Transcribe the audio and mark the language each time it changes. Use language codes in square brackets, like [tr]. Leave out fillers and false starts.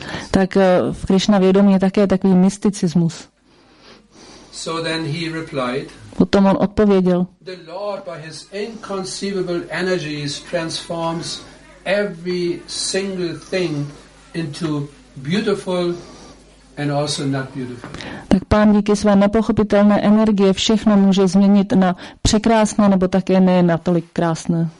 [cs] Tak v Krishna vědomí je také takový mysticismus. [en] So then he replied. [cs] Potom on odpověděl. [en] The Lord by his inconceivable energies transforms every single thing into beautiful and also not beautiful. [cs] Tak pán díky své nepochopitelné energie všechno může změnit na překrásné nebo také ne na tolik krásné.